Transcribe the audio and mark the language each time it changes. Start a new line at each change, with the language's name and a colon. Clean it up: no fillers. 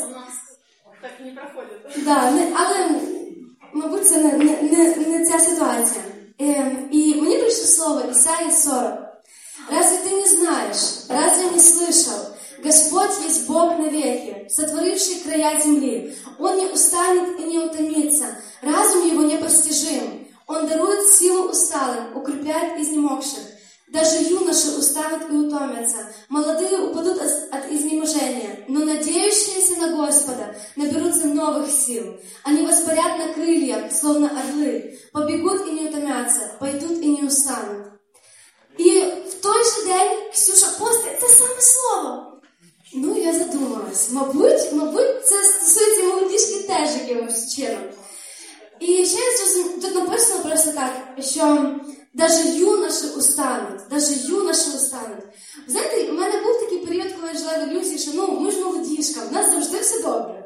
Ukrainian: У нас так не проходить. Да, але, мабуть, це не ця ситуація. І мені прийшло слово Ісаїя 40.
Russian: Разве ти не знаєш, разве не слышав, Господь є Бог навеки, сотворивший края землі. Он не устанет и не утомится, разум его непостижим. Он дарует силу усталым, укрепляет изнемогших. Даже юноши устанут и утомятся, молодые упадут от изнеможения. Но надеющиеся на Господа наберутся новых сил. Они воспарят на крыльях, словно орлы, побегут и не утомятся, пойдут и не устанут. И в той же день Ксюша постит это самое слово. Ну, я задумалась.
Ukrainian: Мабуть, це стосується молодіжки теж, якимось чином. І ще я зрозуміла, тут написано просто так, що навіть юноші устануть. Навіть юноші устануть. Знаєте, у мене був такий період, коли я жила в ілюзії, що, ну, ми ж молодіжка, в нас завжди все добре.